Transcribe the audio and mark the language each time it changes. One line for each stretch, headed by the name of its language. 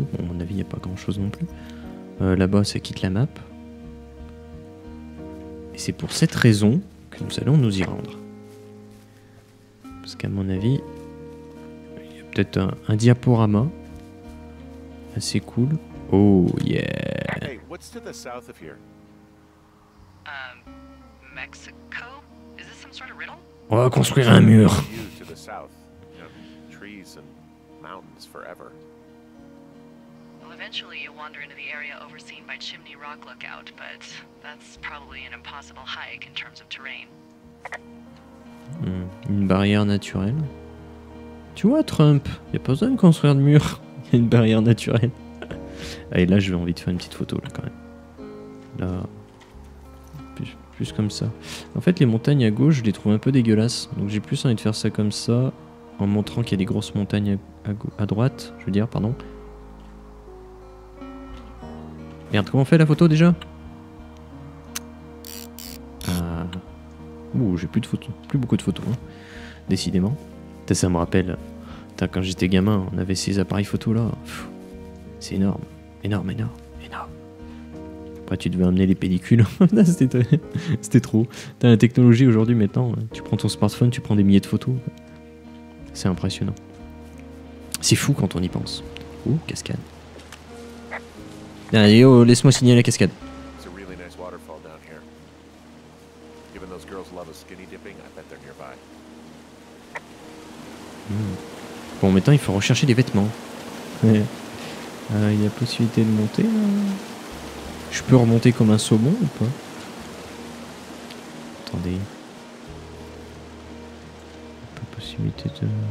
French: Bon, à mon avis, il n'y a pas grand-chose non plus. Là-bas, ça quitte la map. Et c'est pour cette raison que nous allons nous y rendre. Parce qu'à mon avis, il y a peut-être un diaporama assez cool.
English: Oh, yeah. Hey, what's to the south of here? Mexico? Is this some sort of riddle?
French: On va construire un mur.
English: To the south. You know, trees and mountains forever. Eventually, you wander into the area overseen by Chimney Rock Lookout, but that's probably an impossible hike in terms of terrain.
French: Une barrière naturelle. Tu vois, Trump, il n'y a pas besoin de construire de mur. Il y a une barrière naturelle. Allez, là, j'ai envie de faire une petite photo, là, quand même. Là. Plus comme ça. En fait, les montagnes à gauche, je les trouve un peu dégueulasses. Donc, j'ai plus envie de faire ça comme ça, en montrant qu'il y a des grosses montagnes à droite. Je veux dire, pardon. Merde, comment on fait la photo déjà? Ouh, j'ai plus de photos, plus beaucoup de photos, hein, décidément. Ça me rappelle, quand j'étais gamin, on avait ces appareils photo là. C'est énorme, énorme, énorme, énorme. Après, tu devais amener les pellicules. c'était trop. T'as la technologie aujourd'hui maintenant. Tu prends ton smartphone, tu prends des milliers de photos. C'est impressionnant. C'est fou quand on y pense. Ouh, cascade. Allez, oh, laisse-moi signer la cascade. C'est un
English: really nice waterfall down here.
French: Given those girls love a skinny dipping, I bet they're nearby. Bon, maintenant il faut rechercher des vêtements. Il y a possibilité de monter là. Je peux remonter comme un saumon ou pas? Attendez. Pas possibilité de.